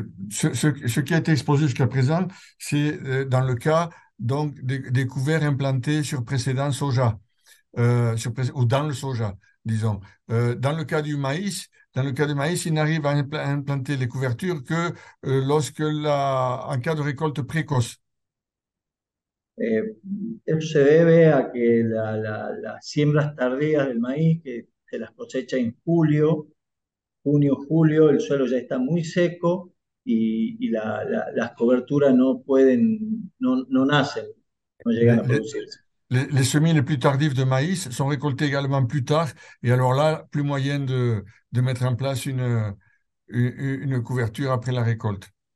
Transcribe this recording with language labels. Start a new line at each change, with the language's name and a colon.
French: Ce qui a été exposé jusqu'à présent, c'est dans le cas donc des couverts implantés sur précédent soja, ou dans le soja, disons. Dans le cas du maïs, dans le cas du maïs, il n'arrive à implanter les couvertures que lorsque en cas de récolte précoce.
Spanish: Eso se debe a que las siembras tardías del maíz, que se las cosecha en julio, junio, julio, el suelo ya está muy seco y las coberturas no nacen, no llegan a producirse.
French: Les semis les plus tardifs de maïs sont récoltés également plus tard, et alors là, plus moyen de mettre en place une couverture après la récolte.